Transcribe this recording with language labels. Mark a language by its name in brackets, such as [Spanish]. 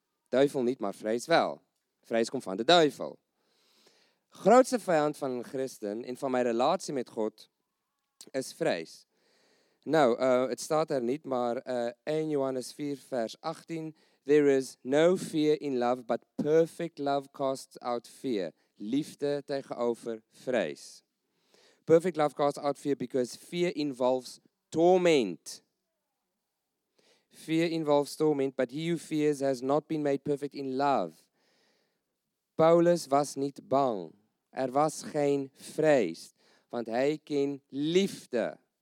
[Dutch] Duivel niet, maar vrees wel. Vrees komt van de duivel. Grootste vijand van een christen en van mijn relatie met God is vrees. Nou, het staat er niet, maar 1 Johannes 4, vers 18. [English] There is no fear in love, but perfect love casts out fear. [Dutch] Liefde tegenover vrees. [English] Perfect love casts out fear, because fear involves torment. Fear involves torment, but he who fears has not been made perfect in love. [Dutch] Paulus was niet bang. Er was geen vrees, want hij ken liefde.